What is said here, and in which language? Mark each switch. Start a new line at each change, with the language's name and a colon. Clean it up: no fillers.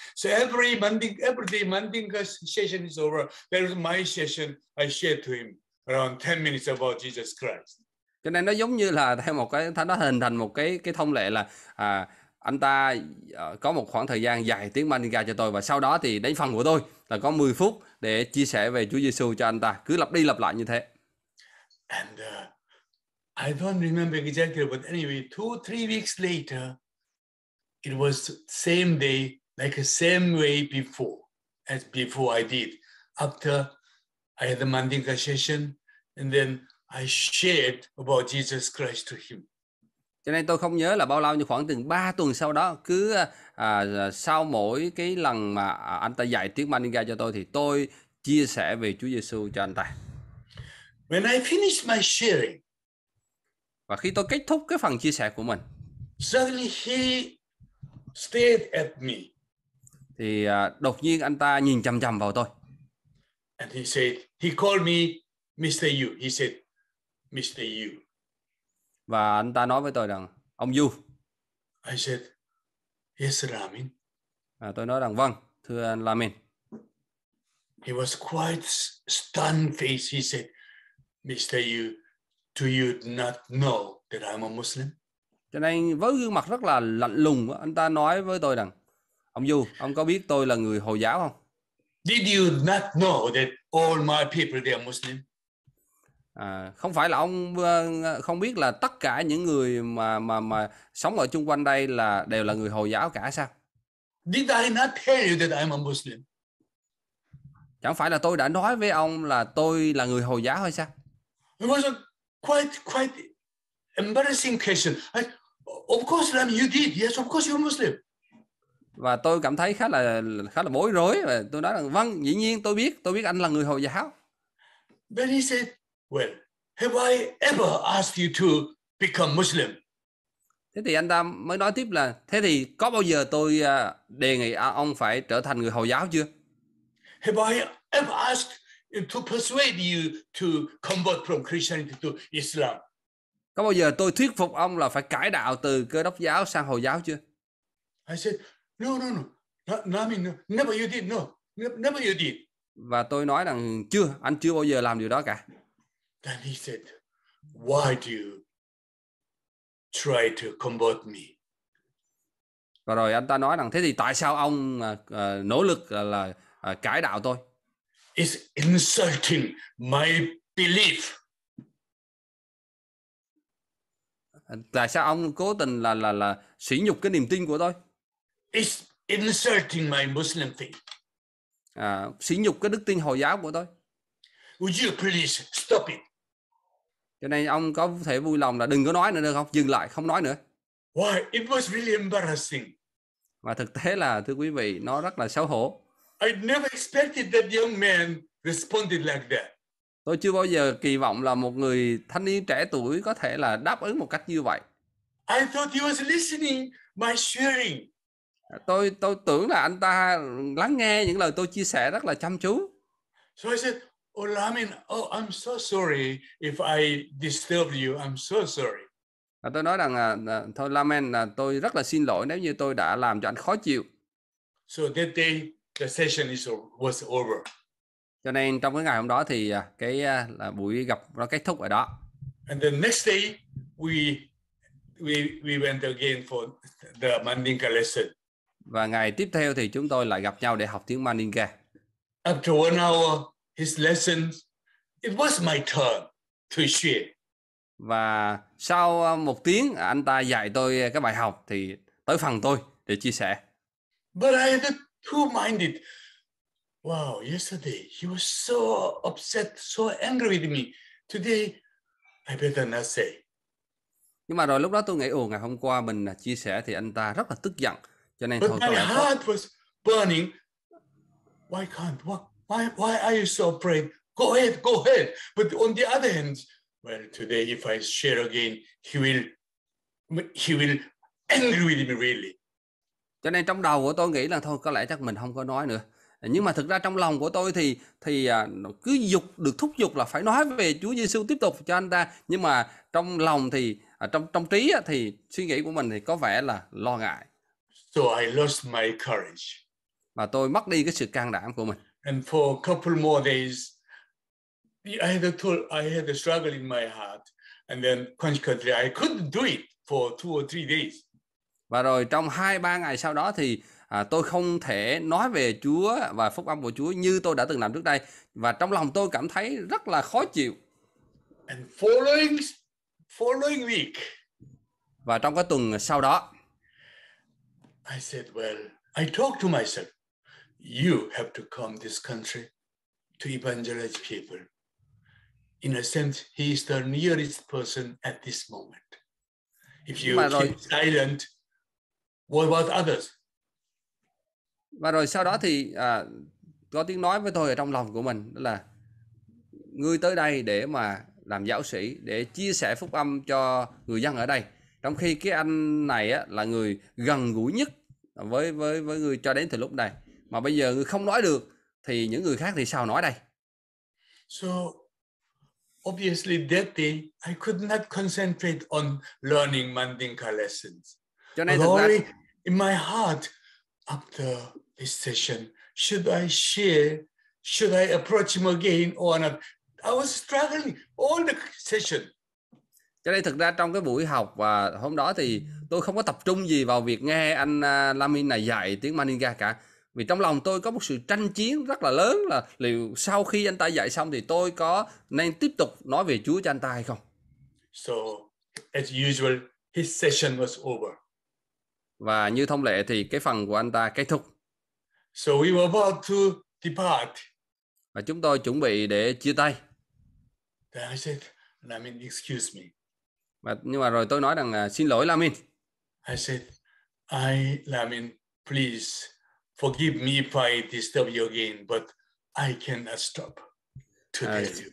English: So every day Mandinka session is over, there is my session I shared to him around 10 minutes about Jesus Christ.
Vietnamese: Cho nên nó giống như là theo một cái, nó hình thành một cái thông lệ là anh ta có một khoảng thời gian dài tiếng Mandinka cho tôi và sau đó thì đến phần của tôi là có 10 phút để chia sẻ về Chúa Giêsu cho anh ta, cứ lặp đi lặp lại như thế.
English: And I don't remember exactly, but anyway, 2-3 weeks later, it was same day, like the same way before, as before I did. After I had the Mandinka session, and then I shared about Jesus Christ to him.
Vietnamese: Cho nên tôi không nhớ là bao lâu, nhưng khoảng từng 3 tuần sau đó, cứ sau mỗi cái lần mà anh ta dạy tiếng Mandinka cho tôi, thì tôi chia sẻ về Chúa Giêsu cho anh ta.
English: When I finished my sharing,
Vietnamese: và khi tôi kết thúc cái phần chia sẻ của mình,
English: suddenly he stared at me.
Vietnamese: Thì đột nhiên anh ta nhìn chằm chằm vào tôi.
English: And he said, he called me Mr. Yu. He said, Mr. Yu.
Vietnamese: Và anh ta nói với tôi rằng, ông Yu.
English: I said, yes, Ramin.
Vietnamese: À, tôi nói rằng, vâng, thưa anh Ramin.
English: He was quite stunned face. He said, Mr. Yu, do you not know that I'm a Muslim?
Vietnamese: Cho nên với gương mặt rất là lạnh lùng, anh ta nói với tôi rằng, ông Yu, ông có biết tôi là người Hồi giáo không?
English: Did you not know that all my people they are Muslim?
Vietnamese: À, không phải là ông không biết là tất cả những người mà sống ở chung quanh đây là đều là người Hồi giáo cả sao?
English: Did I not tell you that I'm a Muslim?
Vietnamese: Chẳng phải là tôi đã nói với ông là tôi là người Hồi giáo hay sao?
English: It was a quite embarrassing question. Of course, Ramin, you did. Yes, of course, you're Muslim.
Vietnamese: Và tôi cảm thấy khá là bối rối. Và tôi nói rằng, vâng, dĩ nhiên tôi biết anh là người Hồi giáo.
English: Then he said, well, have I ever asked you to become Muslim?
Vietnamese: Thế thì anh ta mới nói tiếp là, thế thì có bao giờ tôi đề nghị ông phải trở thành người Hồi giáo chưa?
English: Have I ever asked you to persuade you to convert from Christianity to Islam?
Vietnamese: Có bao giờ tôi thuyết phục ông là phải cải đạo từ Cơ Đốc giáo sang Hồi giáo chưa?
English: I said, no, Ramin, never you did, never you did.
Vietnamese: Và tôi nói rằng chưa, anh chưa bao giờ làm điều đó cả.
English: Then he said, why do you try to convert me?
Vietnamese: Và rồi anh ta nói rằng, thế thì tại sao ông nỗ lực là cải đạo tôi?
English: It's insulting my belief.
Vietnamese: Tại sao ông cố tình là sỉ nhục cái niềm tin của tôi?
English: It's insulting my Muslim faith.
Vietnamese: À, sỉ nhục cái đức tin Hồi giáo của tôi.
English: Would you please stop it?
Vietnamese: Cho nên ông có thể vui lòng là đừng có nói nữa được không? Dừng lại, không nói nữa.
English: Why? It was really embarrassing.
Vietnamese: Và thực tế là, thưa quý vị, nó rất là xấu hổ.
English: I never expected that young man responded like that.
Vietnamese: Tôi chưa bao giờ kỳ vọng là một người thanh niên trẻ tuổi có thể là đáp ứng một cách như vậy.
English: I thought he was listening my sharing.
Vietnamese: Tôi tưởng là anh ta lắng nghe những lời tôi chia sẻ rất là chăm chú.
English: So I said, oh, Ramin, oh, I'm so sorry if I disturbed you. I'm so sorry.
Vietnamese: Và tôi nói rằng, thôi Ramin, tôi rất là xin lỗi nếu như tôi đã làm cho anh khó chịu.
English: So that day, the session was over.
Vietnamese: Cho nên trong cái ngày hôm đó thì cái là buổi gặp nó kết thúc ở đó.
English: And the next day, we went again for the Mandinka lesson.
Vietnamese: Và ngày tiếp theo thì chúng tôi lại gặp nhau để học tiếng Mandinka.
English: After 1 hour, his lesson, it was my turn to share.
Vietnamese: Và sau 1 tiếng, anh ta dạy tôi cái bài học thì tới phần tôi để chia sẻ.
English: But I had two-minded. Wow, yesterday he was so upset, so angry with me. Today, I better not say.
Vietnamese: Nhưng mà rồi lúc đó tôi nghĩ, ồ, ngày hôm qua mình chia sẻ thì anh ta rất là tức giận. Cho nên
English: but my heart was burning. Why can't? Why are you so afraid? Go ahead. But on the other hand, well, today if I share again, he will angry with me really.
Vietnamese: Cho nên trong đầu của tôi nghĩ là thôi, có lẽ chắc mình không có nói nữa. Nhưng mà thực ra trong lòng của tôi thì cứ dục được thúc dục là phải nói về Chúa Giêsu tiếp tục cho anh ta. Nhưng mà trong lòng thì trong trí thì suy nghĩ của mình thì có vẻ là lo ngại.
English: So I lost my courage.
Vietnamese: Và tôi mất đi cái sự can đảm của mình.
English: And for a couple more days, I had a struggle in my heart, and then consequently I couldn't do it for 2 or 3 days.
Vietnamese: Và rồi trong 2-3 ngày sau đó thì tôi không thể nói về Chúa và phúc âm của Chúa như tôi đã từng làm trước đây, và trong lòng tôi cảm thấy rất là khó chịu.
English: And following week.
Vietnamese: Và trong cái tuần sau đó,
English: I said, well, I talked to myself, you have to come this country to evangelize people. In a sense, he is the nearest person at this moment. If you keep silent, what about others?
Vietnamese: Và rồi sau đó thì có tiếng nói với tôi ở trong lòng của mình, đó là ngươi tới đây để mà làm giáo sĩ, để chia sẻ phúc âm cho người dân ở đây. Trong khi cái anh này á, là người gần gũi nhất với người cho đến từ lúc này. Mà bây giờ người không nói được thì những người khác thì sao nói đây?
English: So obviously that day I could not concentrate on learning Mandinka lessons. Glory in my heart after this session, should I share, should I approach him again or not? I was struggling all the session.
Vietnamese: Cho nên thực ra trong cái buổi học và hôm đó thì tôi không có tập trung gì vào việc nghe anh Lamin này dạy tiếng Mandinka cả. Vì trong lòng tôi có một sự tranh chiến rất là lớn là liệu sau khi anh ta dạy xong thì tôi có nên tiếp tục nói về Chúa cho anh ta hay không.
English: So as usual his session was over.
Vietnamese: Và như thông lệ thì cái phần của anh ta kết thúc.
English: So we were about to depart.
Vietnamese: Và chúng tôi chuẩn bị để chia tay.
English: Then I said, Lamin, excuse me.
Vietnamese: Và nhưng mà rồi tôi nói rằng xin lỗi Lamin.
English: I said, Lamin, please forgive me if I disturb you again, but I cannot stop today.